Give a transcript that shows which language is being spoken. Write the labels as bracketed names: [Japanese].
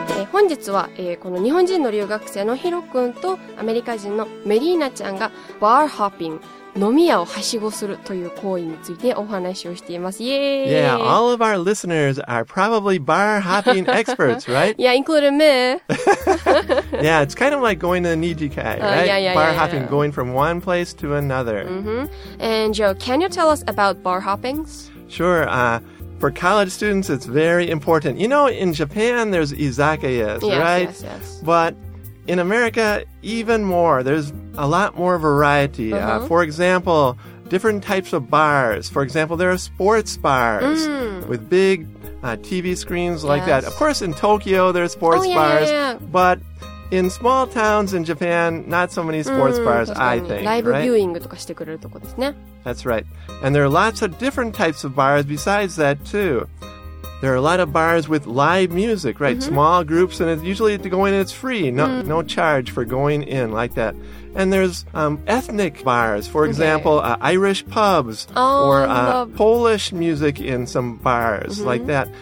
[Japanese] 本日は、この日本人の留学生のヒロ君とアメリカ人のメリーナちゃんがバーホッピング、飲み屋をはしごするという行為についてお話をしています。イエーイ! [English] Yeah, all of our listeners are probably bar hopping experts, right? Yeah, including me. Yeah, it's kind of like going to Nijikai, right? Yeah, bar hopping. Going from one place to another. Mm-hmm. And Joe, can you tell us about bar hoppings? Sure, For college students, it's very important. You know, in Japan, there's izakayas, right? Yes, yes, yes. But in America, even more. There's a lot more variety. Uh-huh. For example, different types of bars. For example, there are sports bars with big TV screens like that. Of course, in Tokyo, there are sports bars. But in small towns in Japan, not so many sports bars, I think. [Japanese] ライブビューイングとかしてくれるとこですね。 [English] That's right. And there are lots of different types of bars besides that, too. There are a lot of bars with live music, right? Mm-hmm. Small groups, and it's usually to go in, it's free. No charge for going in like that. And there's ethnic bars, for example, Irish pubs Polish music in some bars like that.